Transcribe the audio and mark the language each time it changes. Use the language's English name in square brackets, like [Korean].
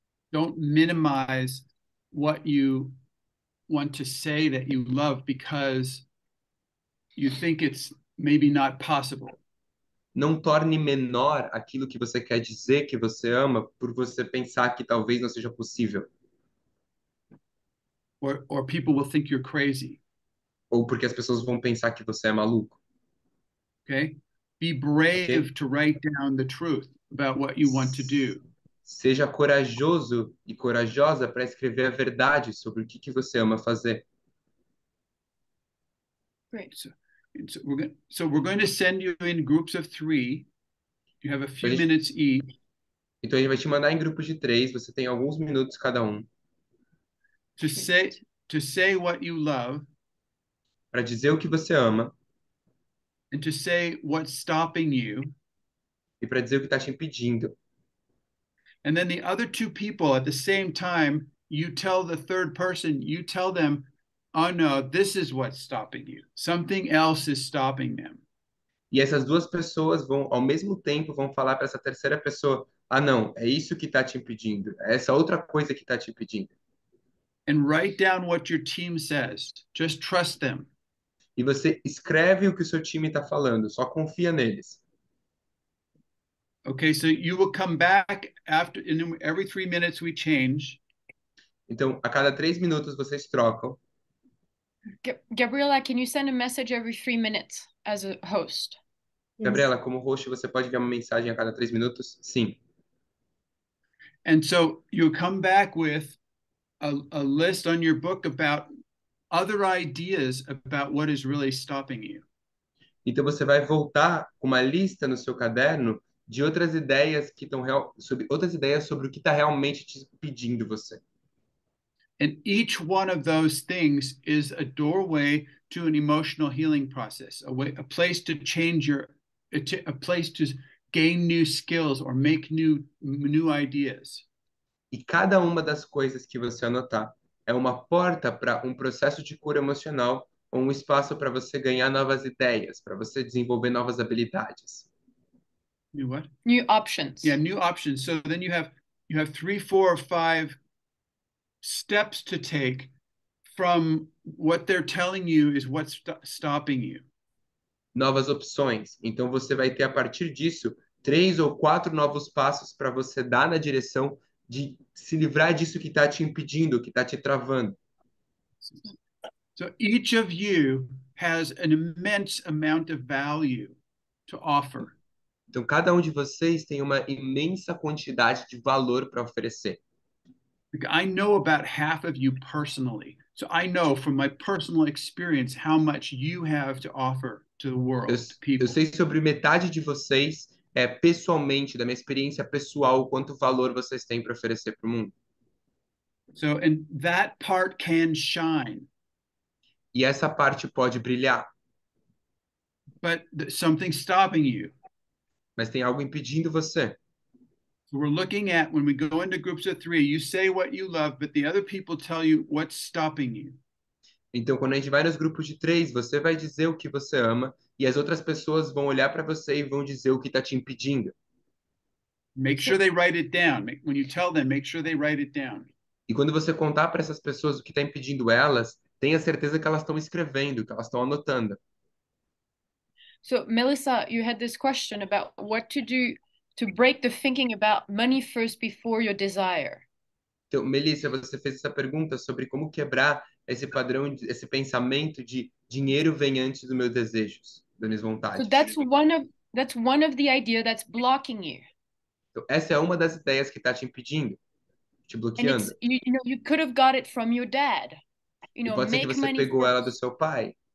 [English] Don't minimize what you want to say that you love because you think it's maybe not possible. [Portuguese] Não torne menor aquilo que você quer dizer que você ama por você pensar que talvez não seja possível. [English] Or people will think you're crazy. [Portuguese] Ou porque as pessoas vão pensar que você é maluco. [English] Okay? Be brave okay. To write down the truth. About what you want to do. [Portuguese] Seja corajoso e corajosa para escrever a verdade sobre o que você ama fazer. [English] Great. So we're going to send you in groups of three. You have a few minutes each. [Portuguese] Então a gente vai te mandar em grupos de três. Você tem alguns minutos cada um. [English] To sit To say what you love. [Portuguese] Para dizer o que você ama. [English] And to say what's stopping you. [Portuguese] E para dizer o que está te impedindo. [English] And then the other two people at the same time, you tell the third person, you tell them, oh no, this is what's stopping you. Something else is stopping them. [Portuguese] E essas duas pessoas vão, ao mesmo tempo, vão falar para essa terceira pessoa, ah não, é isso que está te impedindo, é essa outra coisa que está te impedindo. [English] And write down what your team says. Just trust them. [Portuguese] E você escreve o que o seu time está falando, só confia neles. [English] Okay, so you will come back after, in every 3 minutes we change. [Portuguese] Então, a cada 3 minutos vocês trocam. [English] Gabriela, can you send a message every 3 minutes as a host? [Portuguese] Gabriela, como host, você pode enviar uma mensagem a cada 3 minutos? Sim. [English] And so you come back with a list on your book about other ideas about what is really stopping you. [Portuguese] Então você vai voltar com uma lista no seu caderno de outras ideias que estão sobre outras ideias sobre o que está realmente te impedindo você. [English] And each one of those things is a doorway to an emotional healing process, a place to gain new skills or make new ideas. [Portuguese] E cada uma das coisas que você anotar é uma porta para um processo de cura emocional ou um espaço para você ganhar novas ideias, para você desenvolver novas habilidades. [English] New what? New options. Yeah, new options. So then you have 3, 4, or 5 steps to take from what they're telling you is what's stopping you. [Portuguese] Novas opções. Então você vai ter a partir disso 3 ou 4 novos passos para você dar na direção de se livrar disso que está te impedindo, que está te travando. [English] So each of you has an immense amount of value to offer. [Portuguese] Então, cada um de vocês tem uma imensa quantidade de valor para oferecer. [English] I know about half of you personally. So I know from my personal experience how much you have to offer to the world, to people. [Portuguese] Eu sei sobre metade de vocês, pessoalmente, da minha experiência pessoal, quanto valor vocês têm para oferecer para o mundo. [English] So, and that part can shine. [Portuguese] E essa parte pode brilhar. [English] But something's stopping you. [Portuguese] Mas tem algo impedindo você. [English] So we're looking at, when we go into groups of 3, you say what you love, but the other people tell you what's stopping you. [Portuguese] Então, quando a gente vai nos grupos de 3, você vai dizer o que você ama, e as outras pessoas vão olhar para você e vão dizer o que está te impedindo. [English] Make sure they write it down. When you tell them, make sure they write it down. [Portuguese] E quando você contar para essas pessoas o que está impedindo elas, tenha certeza que elas estão escrevendo, que elas estão anotando. [English] So, Melissa, you had this question about what to do to break the thinking about money first before your desire. [Portuguese] Então, Melissa, você fez essa pergunta sobre como quebrar esse padrão, esse pensamento de dinheiro vem antes dos meus desejos, das minhas vontades. [English] So that's one of the ideas that's blocking you. [Portuguese] Então, essa é uma das ideias que está te impedindo, te bloqueando. [English] And you could have got it from your dad. You know, [Portuguese] pode ser que você pegou ela do seu pai.